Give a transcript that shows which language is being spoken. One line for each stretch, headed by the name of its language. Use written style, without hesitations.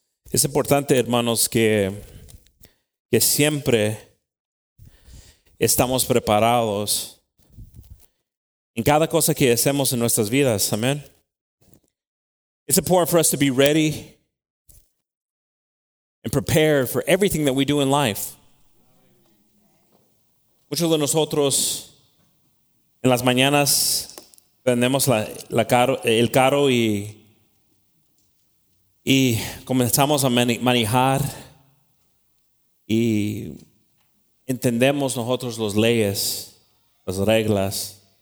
Spanish: Es importante, hermanos, que siempre estamos preparados en cada cosa que hacemos en nuestras vidas.
English: Amen. It's important for us to be ready and prepared for everything that we do in life.
Spanish: Muchos de nosotros en las mañanas prendemos el carro y comenzamos a manejar y entendemos nosotros las leyes, las reglas.